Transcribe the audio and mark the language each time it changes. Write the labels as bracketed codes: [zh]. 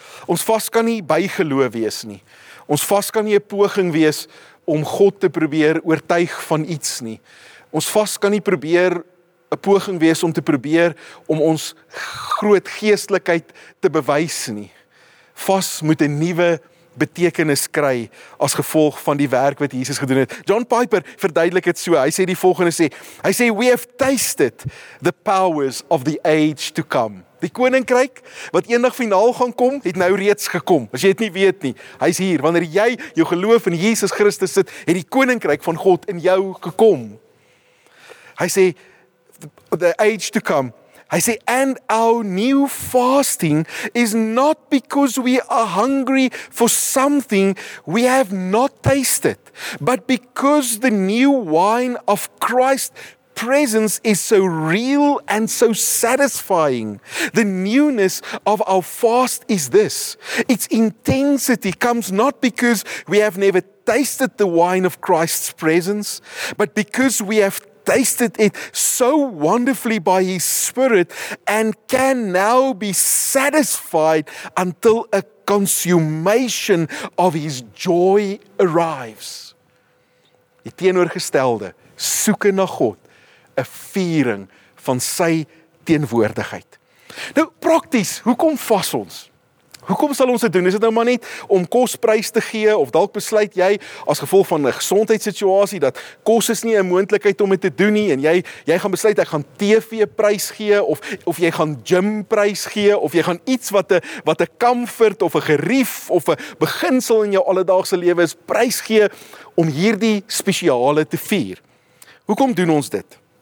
[af] Ons vas kan nie bygeloof wees nie. Ons vas kan nie 'n poging wees om God te probeer oortuig van iets nie. Ons vas kan nie probeer 'n poging wees om te probeer om ons groot geestelikheid te bewys nie. Vas moet 'n nuwe betekenis kry as gevolg van die werk wat Jesus gedoen het. John Piper verduidelik dit so. Hy sê [en] we have tasted the powers of the age to come. [af] Die koninkryk wat eendag finaal gaan kom, het nou reeds gekom. As jy het nie weet nie, hy's hier. Wanneer jy jou geloof in Jesus Christus sit, het die koninkryk van God in jou gekom. Hy sê, [en] the age to come. [af] Hy sê, [en] and our new fasting is not because we are hungry for something we have not tasted, but because the new wine of Christ's presence is so real and so satisfying. The newness of our fast is this. Its intensity comes not because we have never tasted the wine of Christ's presence, but because we have tasted it so wonderfully by His Spirit and can now be satisfied until a consummation of His joy arrives. [af] Die teenoorgestelde, soeke na God, 'n viering van sy teenwoordigheid. Nou, prakties, hoekom vas ons? Hoekom sal ons dit doen? Is dit nou maar net om kosprys te gee, of dalk besluit jy, as gevolg van 'n gesondheidssituasie, dat kos is nie 'n moontlikheid om dit te doen nie, en jy gaan besluit, ek gaan TV prys gee, of jy gaan gym prys gee, of jy gaan iets wat 'n comfort, of 'n gerief, of 'n beginsel in jou alledaagse lewe is, prys gee, om hierdie spesiale te vier. Hoekom doen ons dit?